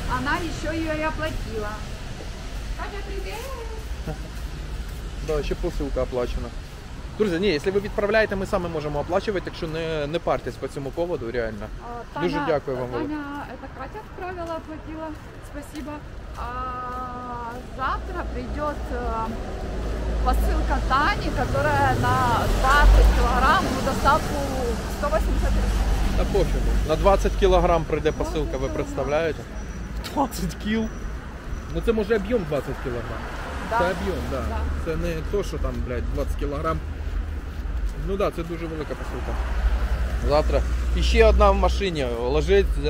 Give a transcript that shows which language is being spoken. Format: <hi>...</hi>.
<uk>Вона ще її оплатила. Катя, привіт! Да, ще посилка оплачена. Друзі, ні, якщо ви відправляєте, ми самі можемо оплачувати, так що не партесь по цьому поводу, реально. Таня, дуже дякую вам. Таня, це Катя відправила, оплатила, спасибо. А завтра прийде...</uk> <ru>посылка Тани, которая на 20 кг, ну, доставку 183. Да пофигу.</ru> <uk>На 20 кг прийде посылка, ви представляєте? 20 кг? Ну це може об'єм 20 кг. Да. Це об'єм, так. Да. Да. Це не то, що там, блядь, 20 кг. Ну так, да, це дуже велика посылка. Завтра. Ще одна в машині лежить.</uk>